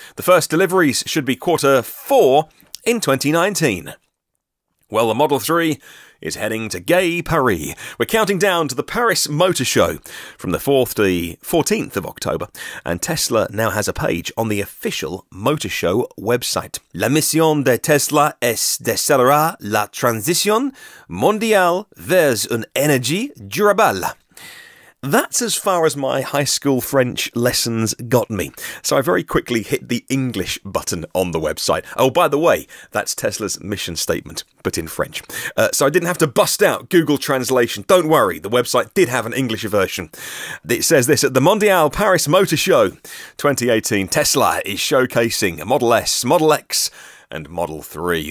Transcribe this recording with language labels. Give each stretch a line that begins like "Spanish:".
English: The first deliveries should be quarter four in 2019. Well, the Model 3 is heading to Gay Paris. We're counting down to the Paris Motor Show from the 4th to the 14th of October, and Tesla now has a page on the official Motor Show website.
French: La mission de Tesla est d'accélérer la transition mondiale vers une énergie durable.
English: That's as far as my high school French lessons got me. So I very quickly hit the English button on the website. Oh, by the way, that's Tesla's mission statement, but in French. So I didn't have to bust out Google Translation. Don't worry, the website did have an English version. It says this: at the Mondial Paris Motor Show 2018, Tesla is showcasing Model S, Model X, and Model 3.